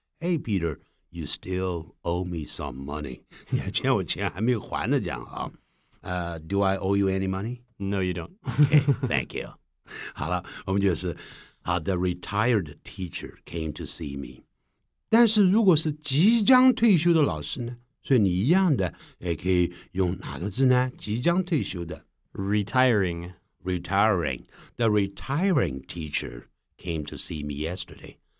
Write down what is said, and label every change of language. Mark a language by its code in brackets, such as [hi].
[en] Hey, Peter, you still owe me some money. [zh] 你还欠我钱还没有还呢，这样啊。 [en] Do I owe you any money? No, you don't. Okay, thank you. [zh] 好了，我们就是 [en] the retired teacher came to see me. [zh] 但是如果是即将退休的老师呢？所以你一样的也可以用哪个字呢？即将退休的 [en] retiring. Retiring, the retiring teacher came to see me yesterday.